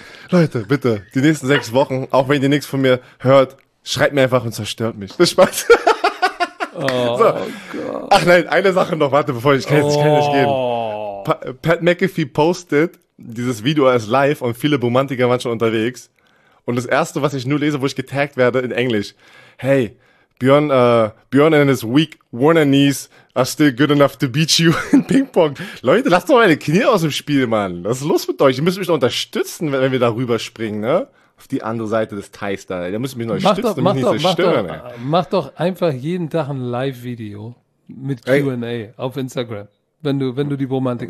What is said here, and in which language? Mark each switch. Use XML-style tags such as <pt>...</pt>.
<de>Leute, bitte, die nächsten 6 Wochen, auch wenn ihr nichts von mir hört, schreibt mir einfach und zerstört mich. Viel Spaß. Oh, so. Ach nein, eine Sache noch, warte, bevor ich kann es nicht geben. Pat McAfee postet, dieses Video ist live und viele Bromantiker waren schon unterwegs. Und das erste, was ich nur lese, wo ich getaggt werde in Englisch.</de> <en>Hey, Björn and his weak Warner knees are still good enough to beat you in Ping Pong.</en> <de>Leute, lasst doch meine Knie aus dem Spiel, Mann. Was ist los mit euch? Ihr müsst mich noch unterstützen, wenn wir da rüber springen, ne? Auf die andere Seite des Teils da. Da müssen wir noch stützen, nicht zerstören. Mach doch einfach jeden Tag ein Live-Video mit Q&A auf Instagram, wenn du die Bromantik</de>